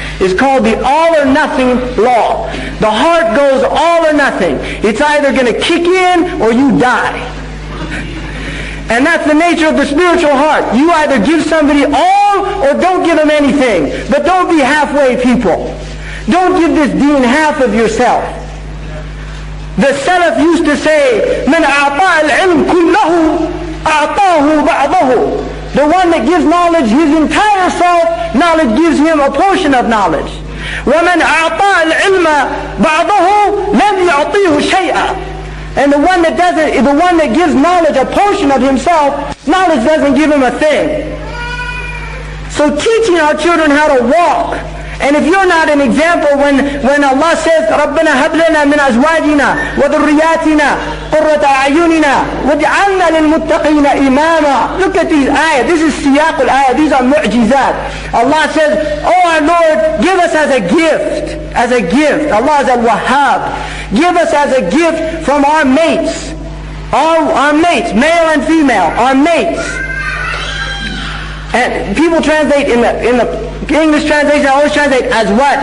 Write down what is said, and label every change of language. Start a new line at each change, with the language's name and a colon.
English: It's called the all or nothing law. The heart goes all or nothing. It's either going to kick in or you die. And that's the nature of the spiritual heart. You either give somebody all or don't give them anything. But don't be halfway people. Don't give this deen half of yourself. The Salaf used to say,
Arabic: مَنْ أَعْطَى الْعِلْمُ كُلَّهُ أَعْطَاهُ بَعْضَهُ.
English: The one that gives knowledge his entire self, knowledge gives him a portion of knowledge.
Arabic: وَمَنْ أَعْطَى الْعِلْمَ بَعْضَهُ لَمْ يُعْطِيهُ شَيْئًا.
English: And the one that gives knowledge a portion of himself, knowledge doesn't give him a thing. So teaching our children how to walk. And if you're not an example, when Allah says,
Arabic: رَبَّنَا هَبْ لَنَا مِنْ أَزْوَاجِنَا وَذُرِّيَاتِنَا قُرَّةَ أَعْيُنِنَا وَجْعَلْنَا لِلْمُتَّقِينَ إِمَامًا.
English: Look at these ayahs. This is siyaqul ayah. These are mu'jizat. Allah says, oh our Lord, give us as a gift. As a gift. Allah is al-Wahhab. Give us as a gift from our mates. Our mates, male and female. Our mates. And people translate in the English translation, I always translate as what?